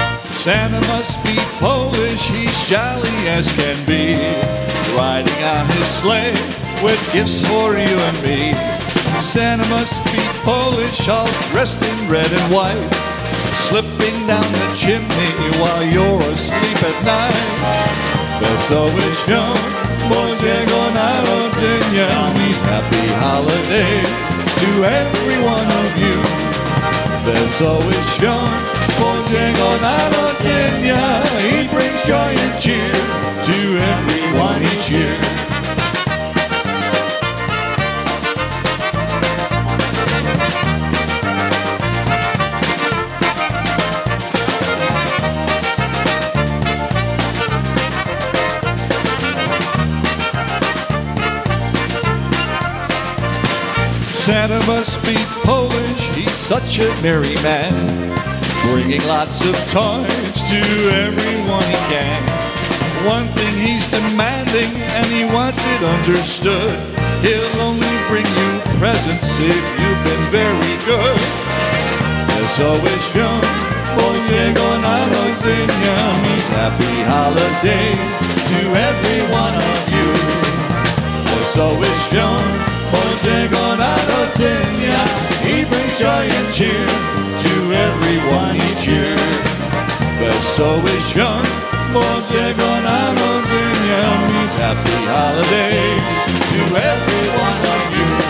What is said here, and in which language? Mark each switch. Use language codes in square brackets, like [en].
[en] Santa must be Polish, he's jolly as can be. Riding on his sleigh with gifts for you and me. Santa must be Polish, all dressed in red and white, slipping down the chimney while you're asleep at night. [pl] Wesołych Świąt, Bożego Narodzenia. [en] Happy holidays to every one of you. [pl] Wesołych Świąt, Bożego Narodzenia. [en] He brings joy and cheer to everyone each year. Santa must be Polish, he's such a merry man, bringing lots of toys to everyone he can. One thing he's demanding, and he wants it understood, he'll only bring you presents if you've been very good. [pl] Wesołych Świąt, Bożego Narodzenia. [en] Happy holidays to every one of you. [pl] Wesołych Świąt, Bożego Narodzenia. [en] He brings joy and cheer to everyone each year. [pl] Wesołych Świąt, Bożego Narodzenia. [en] Happy holidays to every one of you.